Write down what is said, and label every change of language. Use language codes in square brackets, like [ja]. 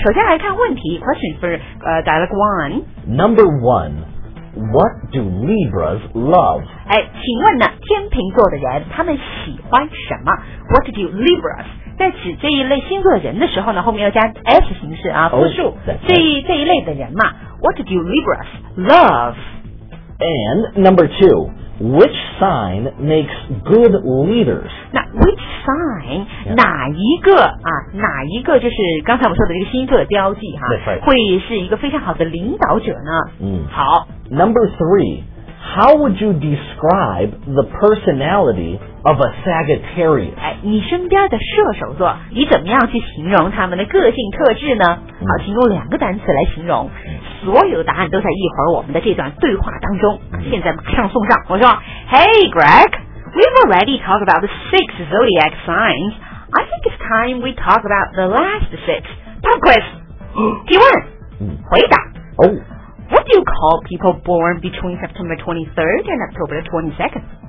[zh] 首先来看问题 ， [en] Question for Dialogue One。 Number one, what do Libras love? [zh] 哎，请问呢，天秤座的人他们喜欢什么 ？ [en] What do Libras? [zh] 在指这一类星座的人的时候呢，后面要加 S 形式啊，复数。这一类的人嘛 ， [en] What do Libras love? And number two, which sign makes good leaders? [zh] 那 [en] which sign、yeah. [zh] 哪一个啊？哪一个就是刚才我说的这个星座的标记哈、啊？ [en] Right. [zh] 会是一个非常好的领导者呢？好。 [en] Number three, how would you describe the personality of a Sagittarius? [zh] 哎，你身边的射手座，你怎么样去形容他们的个性特质呢？好，请用两个单词来形容。所有答案都在一会儿我们的这段对话当中现在马上送上我说 [en] Hey Greg We've already talked about the six zodiac signs I think it's time we talk about the last six Pop quiz [zh] 提问回答、 [en] What do you call people born between September 23rd and October 22nd?